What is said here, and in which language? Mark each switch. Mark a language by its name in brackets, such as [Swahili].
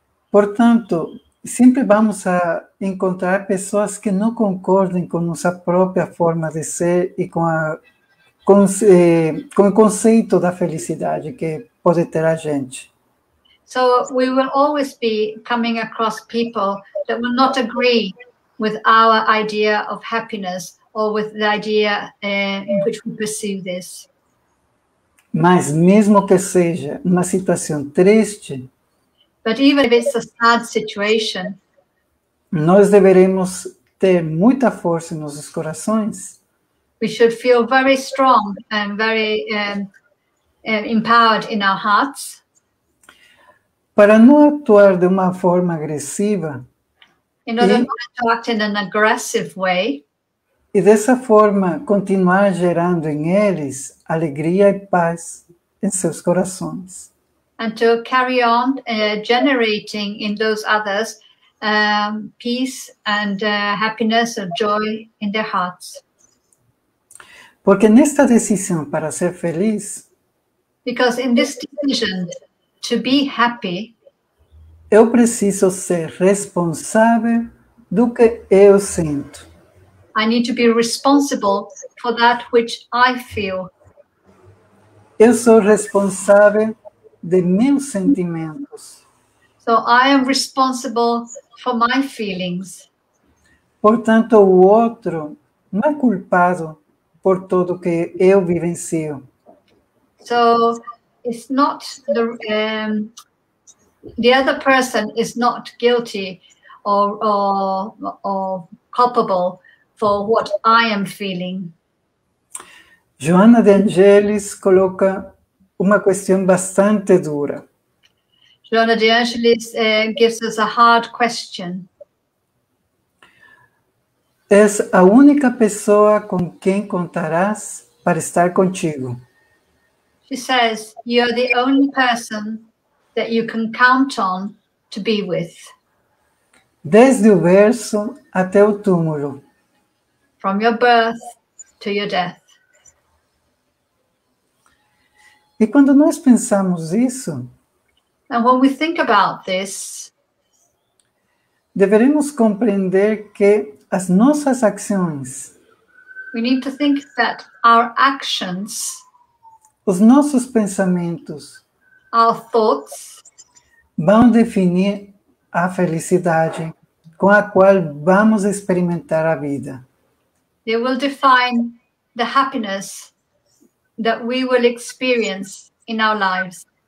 [Portuguese] Portanto, sempre vamos a encontrar pessoas que não concordem com nossa própria forma de ser e com o conceito da felicidade que pode ter a gente. [English] So we will always be coming across people that will not agree with our idea of happiness or with the idea in which we pursue this. [Portuguese] Mas mesmo que seja uma situação triste, [English] but even if it's a sad situation, [Portuguese] nós deveremos ter muita força em nossos corações. [English] We should feel very strong and very empowered in our hearts. [Portuguese] Para não atuar de uma forma agressiva. [English] In order not to act in an aggressive way. [Portuguese] E dessa forma continuar gerando em eles alegria e paz em seus corações. [English] And to carry on generating in those others peace and happiness or joy in their hearts. [Portuguese] Porque nesta decisão para ser feliz, [English] because in this decision to be happy, [Portuguese] eu preciso ser responsável do que eu sinto. [English] I need to be responsible for that which I feel. [Portuguese] Eu sou responsável de meus sentimentos. [English] So I am responsible for my feelings. [Portuguese] Portanto, o outro não é culpado por tudo que eu vivencio. [English] So, it's not the other person is not guilty or culpable for what I am feeling. [Portuguese] Joana de Angelis coloca uma questão bastante dura. [English] Joana de Angelis gives us a hard question. [Portuguese] Es a única pessoa com quem contarás para estar contigo. [English] She says, you are the only person that you can count on to be with. [Portuguese] Desde o berço até o túmulo. [English] From your birth to your death. [Portuguese] E quando nós pensamos isso, [English] and when we think about this, [Portuguese] deveremos compreender que as nossas ações, [English] we need to think that our actions, [Portuguese] os nossos pensamentos, [English] our thoughts, [Portuguese] vão definir a felicidade com a qual vamos experimentar a vida. [English] They will define the happiness that we will experience in our lives.